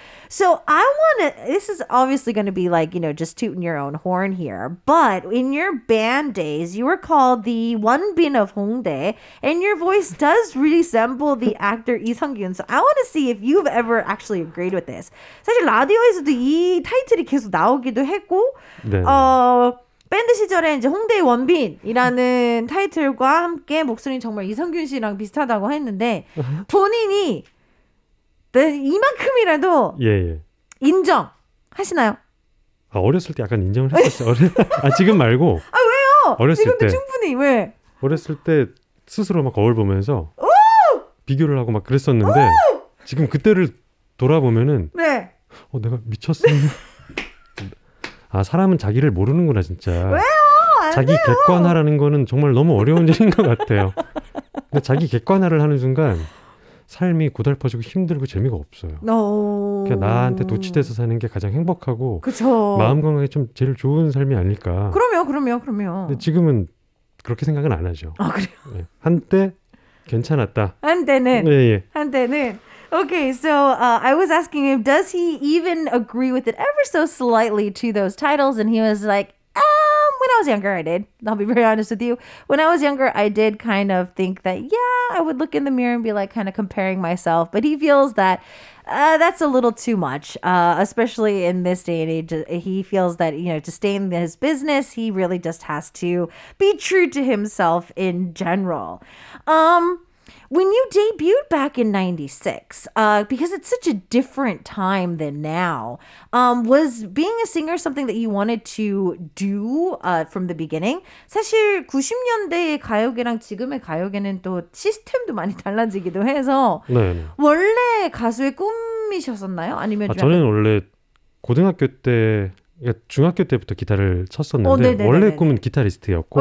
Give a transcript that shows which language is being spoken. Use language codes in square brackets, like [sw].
[en] So I want to, this is obviously going to be like, you know, just tooting your own horn here. But in your band days, you were called the Wonbin of Hongdae. And your voice does resemble the actor Lee Sung-kyun. So I want to see if you've ever actually agreed with this. [ko] 사실 라디오에서도 이 타이틀이 계속 나오기도 했고 네. 밴드 시절에 이제 홍대의 원빈이라는 타이틀과 함께 목소리 정말 이성균 씨랑 비슷하다고 했는데 본인이 네, 이만큼이라도 예, 예. 인정하시나요? 아, 어렸을 때 약간 인정을 했었어요. 아, 지금 말고 아 왜요? 어렸을 지금도 때 충분히 왜? 어렸을 때 스스로 막 거울 보면서 오! 비교를 하고 막 그랬었는데 오! 지금 그때를 돌아보면은 네. 내가 미쳤어. 아, 사람은 자기를 모르는구나, 진짜. 왜요? 자기 돼요. 객관화라는 거는 정말 너무 어려운 일인 것 같아요. 근데 자기 객관화를 하는 순간 삶이 고달퍼지고 힘들고 재미가 없어요. 그냥 나한테 도취돼서 사는 게 가장 행복하고 그쵸. 마음 건강에 좀 제일 좋은 삶이 아닐까. 그럼요, 그럼요, 그럼요. 근데 지금은 그렇게 생각은 안 하죠. 아, 그래요? 네. 한때 괜찮았다. 한때는. 예, 예. 한때는. [en] Okay, so I was asking him, does he even agree with it ever so slightly to those titles? And he was like, when I was younger, I did. I'll be very honest with you. When I was younger, I did kind of think that, yeah, I would look in the mirror and be like kind of comparing myself. But he feels that that's a little too much, especially in this day and age. He feels that, you know, to stay in his business, he really just has to be true to himself in general. When you debuted back in 96, because it's such a different time than now, was being a singer something that you wanted to do from the beginning? [ko] 사실 90년대의 가요계랑 지금의 가요계는 또 시스템도 많이 달라지기도 해서 네. 원래 가수의 꿈이셨었나요? 아니면 아, 저는 원래 고등학교 때, 중학교 때부터 기타를 쳤었는데 원래 꿈은 기타리스트였고